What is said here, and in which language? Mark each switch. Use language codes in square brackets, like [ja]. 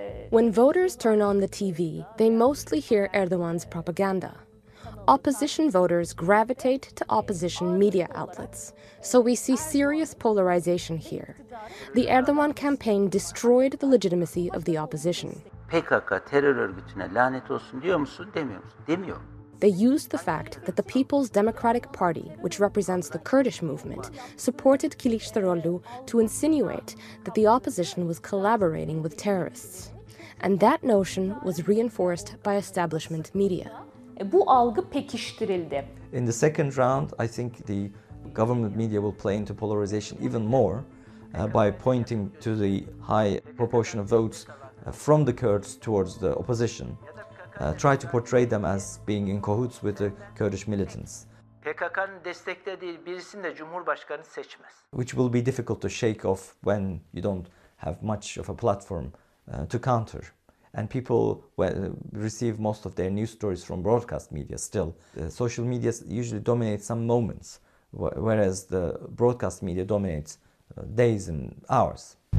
[en] When voters turn on the TV, they mostly hear Erdogan's propaganda. Opposition voters gravitate to opposition media outlets, so we see serious polarization here. The Erdogan campaign destroyed the legitimacy of the opposition. [tr] PKK terör örgütüne lanet olsun diyor musun, demiyor musun? Demiyor. [en] They used the fact that the People's Democratic Party, which represents the Kurdish movement, supported Kılıçdaroğlu to insinuate that the opposition was collaborating with terrorists. And that notion was reinforced by establishment media. [tr] Bu algı pekiştirildi. [en] In the second round, I think the government media will play into polarization even more by pointing to the high proportion of votes from the Kurds towards the opposition, try to portray them as being in cahoots with the Kurdish militants. [tr] PKK'nın desteklediği birisini de Cumhurbaşkanı seçmez. [en] Which will be difficult to shake off when you don't have much of a platform to counter. And people receive most of their news stories from broadcast media still. Social media usually dominates some moments, whereas the broadcast media dominates days and hours.